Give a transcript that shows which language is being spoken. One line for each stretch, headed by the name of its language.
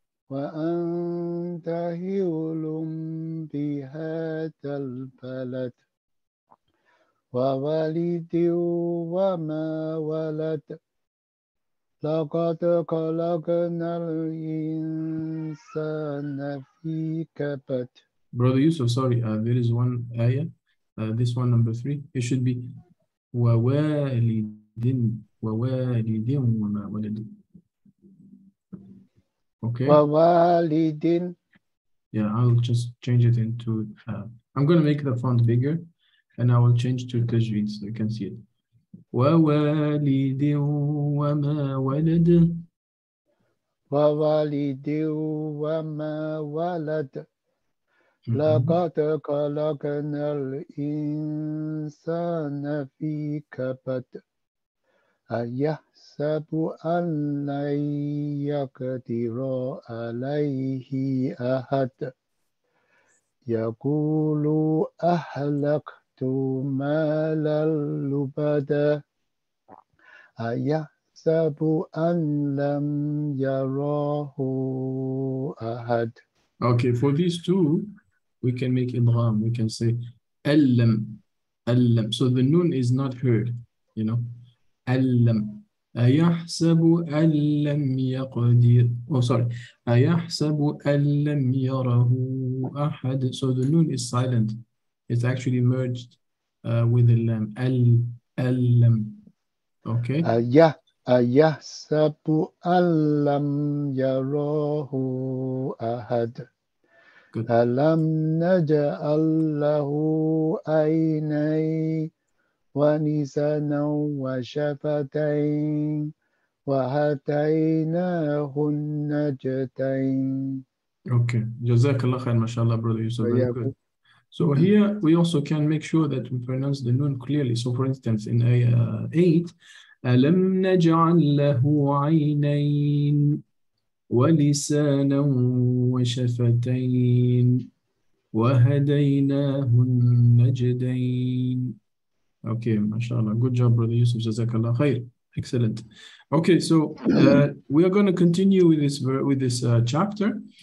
Arabic: وأنت حل بهذا البلد ووالد وما ولد لقد خلقنا الإنسان في كبد.
English: Brother Yusuf, sorry, there is one ayah, this one number three. It should be
Arabic: ووالد وما ولد.
English: Okay.
Arabic: Wawalidin.
English: Yeah, I'll just change it into I'm gonna make the font bigger and I will change to tajweed so you can see it.
Arabic: Wawalidin wa ma walad. Wawalidin wa ma walad. Laqad khalaqna al-insana fi kabad. أَيَحْسَبُ أَنْ لَنْ يَقْدِرَ عَلَيْهِ أَحَدٌ يَقُولُ أَهْلَكْتُ مَالًا لُبَدًا أَيَحْسَبُ أَنْ لَمْ يَرَاهُ أَحَدٌ.
English: Okay, for these two, we can make idgham. We can say
Arabic: أَلَّمْ أَلَّمْ.
English: So the noon is not heard, you know.
Arabic: أَلَّمْ أَيَحْسَبُ أَلَّمْ يَقْدِرْ.
English: Oh, sorry.
Arabic: أَيَحْسَبُ أَلَّمْ يَرَهُ أَحَدٌ.
English: So the noon is silent. It's actually merged with the lam.
Arabic: أَلَّمْ.
English: Okay.
Arabic: أَيَحْسَبُ أَلَّمْ يَرَهُ أَحَدٌ.
English: Good.
Arabic: أَلَمْ نَجْعَلْ لَهُ عَيْنَيْنِ ونسانا وشفتين وهديناه النجتين.
English: Okay,
Arabic: جزاك الله خير. ما شاء الله
English: brother Yusuf, very good. So here we also can make sure that we pronounce the noon clearly. So for instance, in ayah 8,
Arabic: ألم نجعل له عينين ولسانا وشفتين وهديناه النجتين.
English: Okay, mashallah. Good job, Brother Yusuf. Jazakallah khair. Excellent. Okay, so we are going to continue with this chapter.